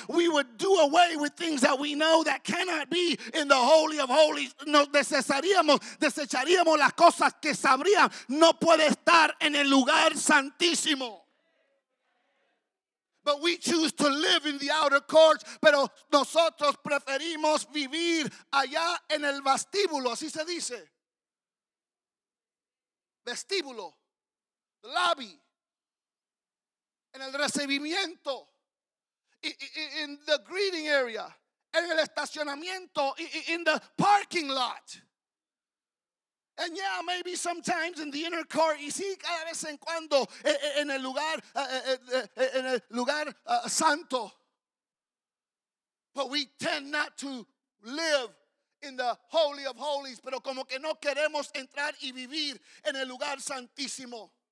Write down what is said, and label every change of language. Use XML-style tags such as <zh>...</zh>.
<en>We would do away with things that we know that cannot be in the Holy of Holies.</en> <es>Nos desecharíamos las cosas que sabrían no puede estar en el lugar santísimo.</es> <en>But we choose to live in the outer courts.</en> <es>Pero nosotros preferimos vivir allá en el vestíbulo. Así se dice. Vestíbulo.</es> <en>The lobby.</en> <es>En el recibimiento.</es> <en>In the greeting area.</en> <es>En el estacionamiento.</es> <en>In the parking lot. And yeah, maybe sometimes in the inner court.</en> <es>Y sí, cada vez en cuando en el lugar santo.</es> <en>But we tend not to live in the Holy of Holies.</en> <es>Pero como que no queremos entrar y vivir en el lugar santísimo.</es>